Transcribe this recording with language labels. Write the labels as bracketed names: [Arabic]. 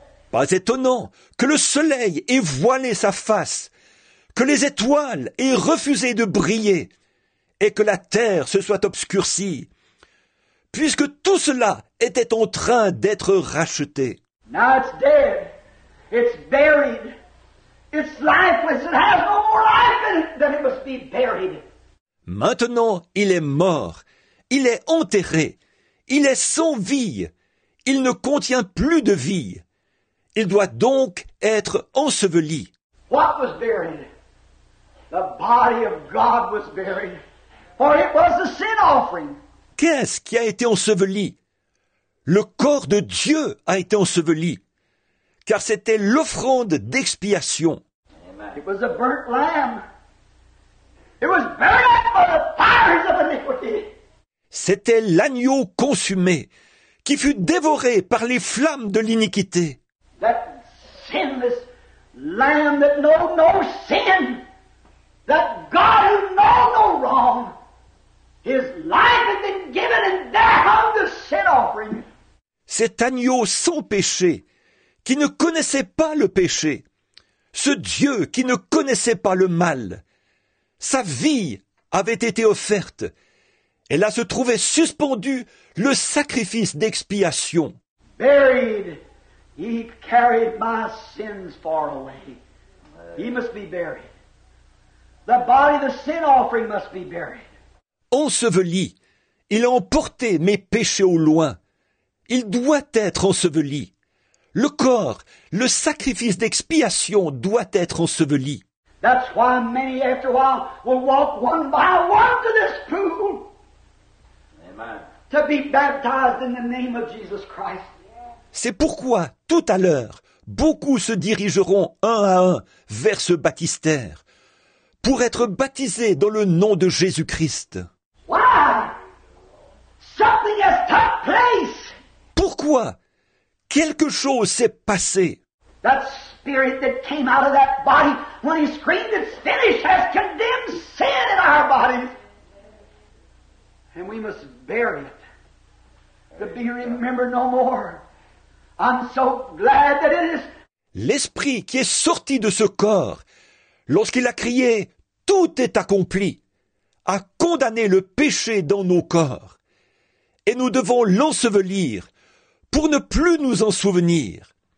[French] Pas étonnant que le soleil ait voilé sa face, que les étoiles aient refusé de briller et que la terre se soit obscurcie, puisque tout cela était en train d'être racheté. [English] Now it's dead. It's buried. It's lifeless. It has no more life than it must be buried. [French] Maintenant, il est mort. Il est enterré. Il est sans vie. Il ne contient plus de vie. Il doit donc être enseveli. [English] What was buried? The body of God was buried. For it was a sin offering. [French] Qu'est-ce qui a été enseveli? Le corps de Dieu a été enseveli, car c'était l'offrande d'expiation. [English] It was a burnt lamb. It was buried by the fires of iniquity. [French] C'était l'agneau consumé qui fut dévoré par les flammes de l'iniquité. [English] That sinless lamb that knew no sin, that God who knew no wrong. His life had been given and there hung the sin offering. [French] Cet agneau sans péché, qui ne connaissait pas le péché, ce Dieu qui ne connaissait pas le mal, sa vie avait été offerte, et là se trouvait suspendu le sacrifice d'expiation. [English] Buried, he carried my sins far away. He must be buried. The body, the sin offering must be buried. [French] Enseveli, il a emporté mes péchés au loin. Il doit être enseveli. Le corps, le sacrifice d'expiation doit être enseveli. [English] That's why many after a while will walk one by one to this pool. Amen. To be baptized in the name of Jesus Christ. [French] C'est pourquoi, tout à l'heure, beaucoup se dirigeront un à un vers ce baptistère, pour être baptisé dans le nom de Jésus-Christ. [English] Why? Something has took place. [French] Pourquoi? Quelque chose s'est passé. [English] That spirit that came out of that body when he screamed it's finished has condemned sin in our bodies. And we must bury it to be remembered no more. I'm so glad that it is. [French] L'esprit qui est sorti de ce corps lorsqu'il a crié « Tout est accompli » a condamné le péché dans nos corps. Et nous devons l'ensevelir pour ne plus nous en souvenir.